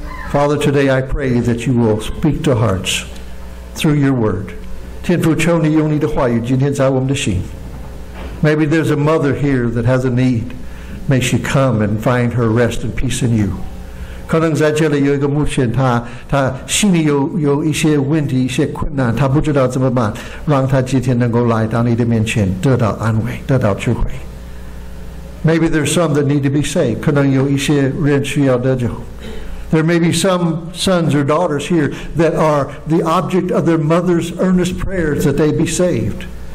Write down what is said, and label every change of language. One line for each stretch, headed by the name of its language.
English: Father, today I pray that you will speak to hearts through your word.
Chinese: 天父，求你用你的话语今天在我们的心。
English: Maybe there's a mother here that has a need. May she come and find her rest and peace in you.
Chinese: 可能在这里有一个母亲，她心里有一些问题，一些困难，她不知道怎么办，让她今天能够来到你的面前，得到安慰，得到智慧。
English: Maybe there's some that need to be saved.
Chinese: 可能有一些人需要得救。
English: There may be some sons or daughters here that are the object of their mother's earnest prayers that they be saved.